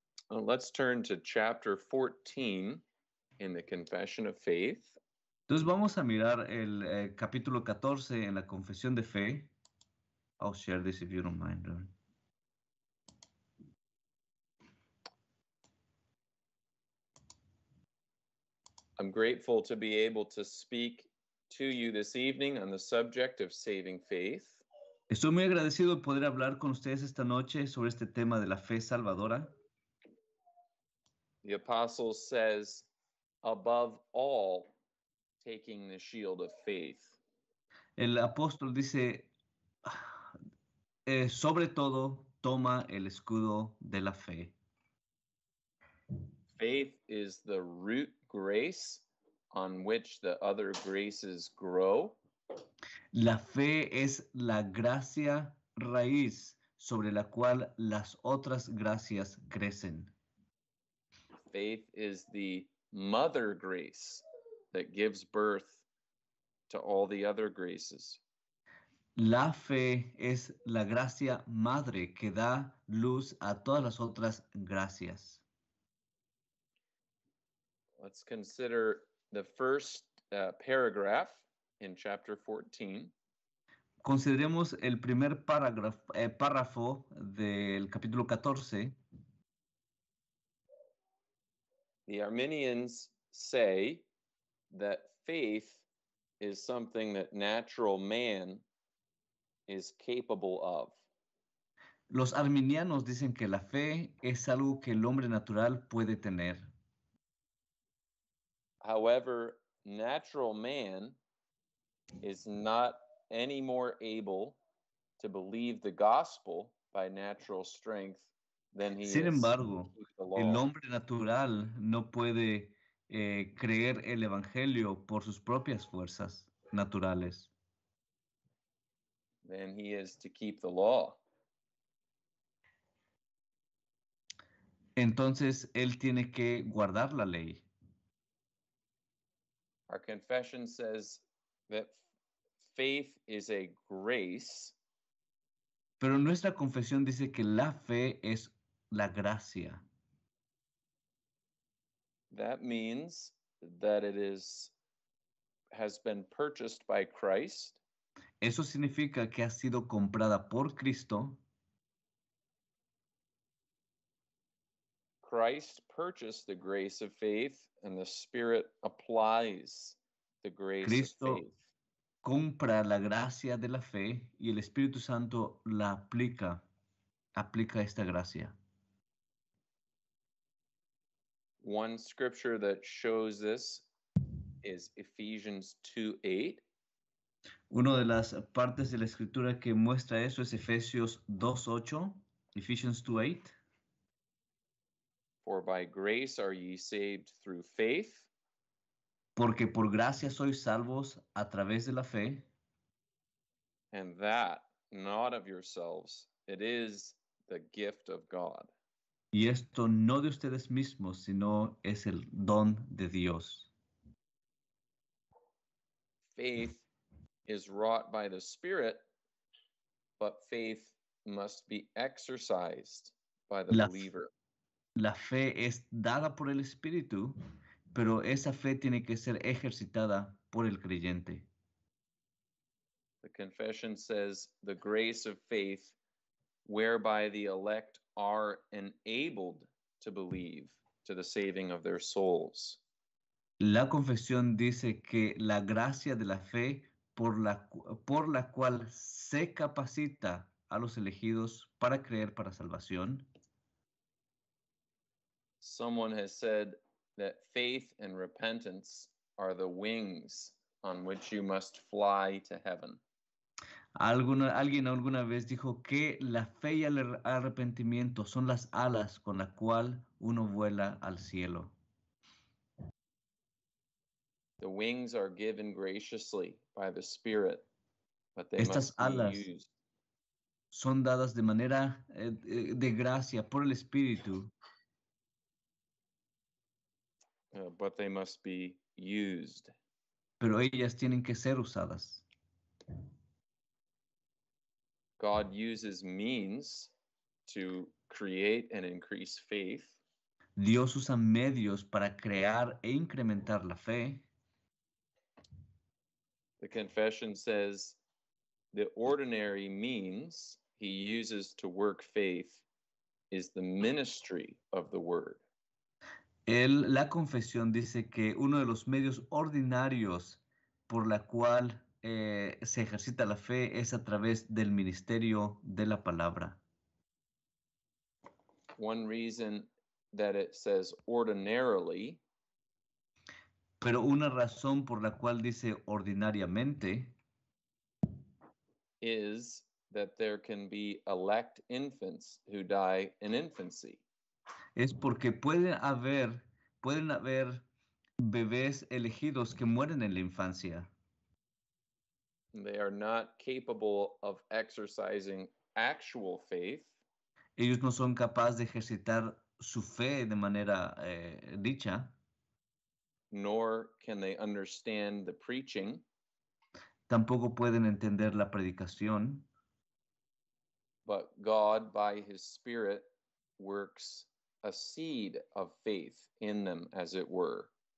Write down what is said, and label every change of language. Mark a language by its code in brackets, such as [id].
[en] Well, let's turn to chapter 14 in the Confession of Faith. [es] Entonces vamos a mirar el capítulo 14 en la Confesión de Fe. [en] I'll share this if you don't mind. I'm grateful to be able to speak to you this evening on the subject of saving faith. [es] Estoy muy agradecido de poder hablar con ustedes esta noche sobre este tema de la fe salvadora. [en] The apostle says, above all, taking the shield of faith. [es] El apóstol dice, sobre todo, toma el escudo de la fe. [en] Faith is the root grace on which the other graces grow. [es] La fe es la gracia raíz sobre la cual las otras gracias crecen. [en] Faith is the mother grace that gives birth to all the other graces. [es] La fe es la gracia madre que da luz a todas las otras gracias. [en] Let's consider the first paragraph in chapter 14. [es] Consideremos el primer párrafo del capítulo 14. [en] The Arminians say that faith is something that natural man is capable of. [es] Los arminianos dicen que la fe es algo que el hombre natural puede tener. [en] However, natural man is not any more able to believe the gospel by natural strength than he [es] Sin embargo, el hombre natural no puede creer el evangelio por sus propias fuerzas naturales. [en] Then he is to keep the law. [es] Entonces él tiene que guardar la ley. [en] Our confession says that faith is a grace. [es] Pero nuestra confesión dice que la fe es la gracia. [en] That means that it is has been purchased by Christ. [es] Eso significa que ha sido comprada por Cristo. [en] Christ purchased the grace of faith and the Spirit applies the grace [es] Cristo [en] of faith. [es] Cristo compra la gracia de la fe y el Espíritu Santo la aplica, aplica esta gracia. [en] One scripture that shows this is Ephesians 2:8. [es] Una de las partes de la escritura que muestra eso es Efesios 2:8, Ephesians 2:8. [en] For by grace are ye saved through faith. [es] Porque por gracia sois salvos a través de la fe. [en] And that, not of yourselves, it is the gift of God. [es] Y esto no de ustedes mismos, sino es el don de Dios. [en] Faith is wrought by the Spirit, but faith must be exercised by the believer. [es] La fe es dada por el Espíritu, pero esa fe tiene que ser ejercitada por el creyente. [en] The confession says, the grace of faith, whereby the elect are enabled to believe to the saving of their souls. [es] La confesión dice que la gracia de la fe por la cual se capacita a los elegidos para creer para salvación. [en] Someone has said that faith and repentance are the wings on which you must fly to heaven. [es] Alguien alguna vez dijo que la fe y el arrepentimiento son las alas con la cual uno vuela al cielo. [en] The wings are given graciously by the Spirit, but they [es] Estas [en] must be [es] alas [en] used. [es] Son dadas de manera de gracia por el Espíritu. [en] But they must be used. [es] Pero ellas tienen que ser usadas. [en] God uses means to create and increase faith. [es] Dios usa medios para crear e incrementar la fe. [en] The confession says the ordinary means he uses to work faith is the ministry of the word. [es] La confesión dice que uno de los medios ordinarios por la cual se ejercita la fe es a través del ministerio de la palabra. [en] One reason that it says ordinarily. [es] Pero una razón por la cual dice ordinariamente. [en] Is that there can be elect infants who die in infancy. [es] Es porque pueden haber bebés elegidos que mueren en la infancia. [en] They are not capable of exercising actual faith. [es] Ellos no son capaces de ejercitar su fe de manera dicha. [en] Nor can they understand the preaching. [es] Tampoco pueden entender la predicación. [en] But God, by His Spirit, works a seed of faith in them, as it were.